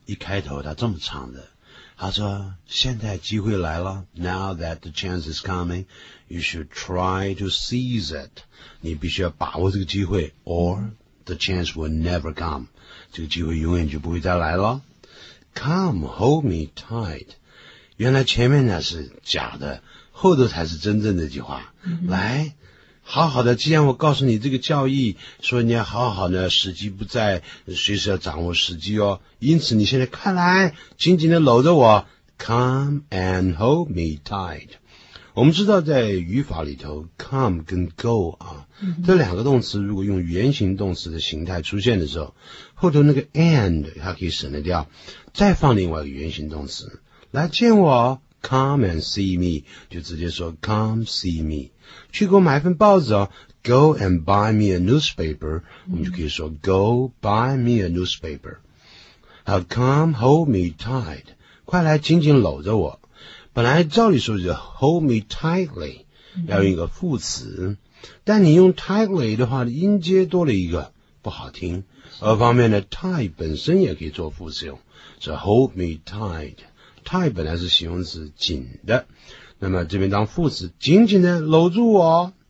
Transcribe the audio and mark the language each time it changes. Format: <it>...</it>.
<zh>一开头他这么唱的，他说现在机会来了。</zh> <en>Now that the chance is coming, you should try to seize it.</en> <zh>你必须要把握这个机会，</zh> <en>or the chance will never come.</en> <zh>这个机会永远就不会再来了。</zh> <en>Come, hold me tight.</en> <zh>原来前面那是假的，后头才是真正的计划。来，好好的，既然我告诉你这个教义，说你要好好的，时机不在，随时要掌握时机哦。因此你现在看来紧紧的搂着我，</zh> <en>come and hold me tight。</en> <zh>我们知道在语法里头 come 跟 go 啊，这两个动词如果用原形动词的形态出现的时候，后头那个 and 它可以省得掉，再放另外一个原形动词来见我，</zh> <en>come and see me，</en> <zh>就直接说</zh> <en>come see me，</en> <zh>去给我买一份报纸哦，</zh> <en>Go and buy me a newspaper。</en> <zh>我们就可以说</zh> <en>Go buy me a newspaper。 Come hold me tight，</en> <zh>快来紧紧搂着我。本来照理说就</zh> <en>hold me tightly，</en> <zh>要用一个副词，但你用 tightly 的话音阶多了一个不好听，而方面的 tight 本身也可以做副词用，所以</zh> <en>hold me tight，</en> <zh>tight 本来是形容词紧的，那么这边当副词，紧紧的搂住我。</zh>